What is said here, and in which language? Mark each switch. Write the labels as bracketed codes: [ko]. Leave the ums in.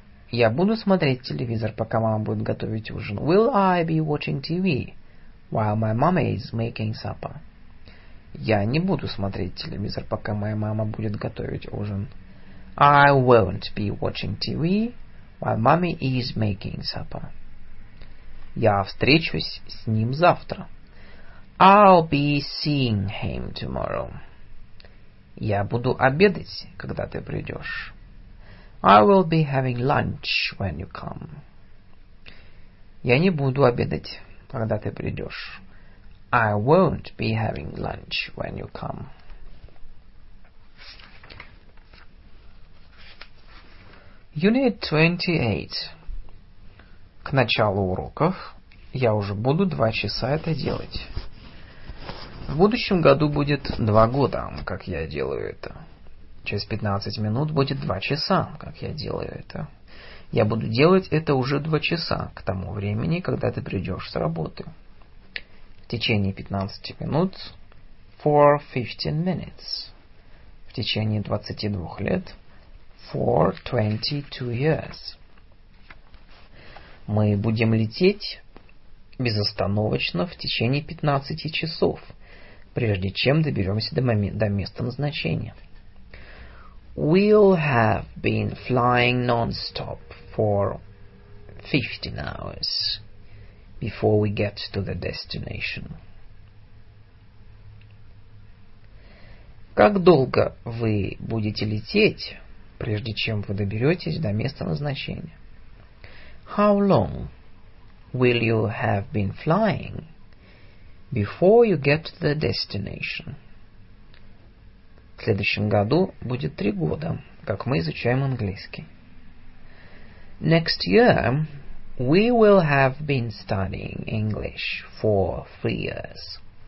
[ru] Я буду смотреть телевизор, пока мама будет готовить ужин. [en] Will I be watching TV while my mommy is making supper? [ru] Я не буду смотреть телевизор, пока моя мама будет готовить ужин. [en] I won't be watching TV while mommy is making supper. [ru] Я встречусь с ним завтра. [en] I'll be seeing him tomorrow. [ru] Я буду обедать, когда ты придешь. [en] I will be having lunch when you come. [ru] Я не буду обедать, когда ты придешь. [en] I won't be having lunch when you come. Unit 28. [ru] К началу уроков я уже буду два часа это делать. В будущем году будет два года, как я делаю это. Через 15 минут будет 2 часа, как я делаю это. Я буду делать это уже 2 часа, к тому времени, когда ты придешь с работы. В течение 15 минут [en] for 15 minutes. [ru] В течение 22 лет [en] for 22 years. [ru] Мы будем лететь безостановочно в течение 15 часов, прежде чем доберемся до, момента, до места назначения. [en] We'll have been flying non-stop for 15 hours before we get to the destination. [ru] Как долго вы будете лететь, прежде чем вы доберетесь до места назначения? [en] How long will you have been flying before you get to the destination? [ru] В следующем году будет три года, как мы изучаем английский. [en] Next year, we will have been studying English for three years.